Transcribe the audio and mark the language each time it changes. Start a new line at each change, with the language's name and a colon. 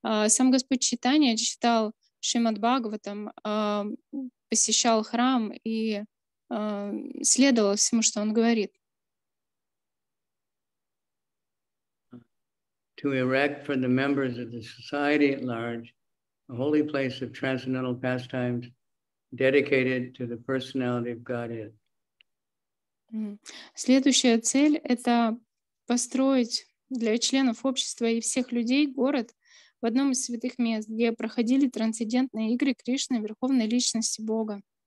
Russian: Сам Господь Чайтанья читал Шримад-Бхагаватом, посещал храм и следовал всему, что он говорит.
English: To erect for the members of the society at large a holy place of transcendental pastimes dedicated to the personality of Godhead.
Russian: Следующая цель — это построить для членов общества и всех людей город в одном из святых мест, где проходили трансцендентные игры Кришны, Верховной Личности Бога.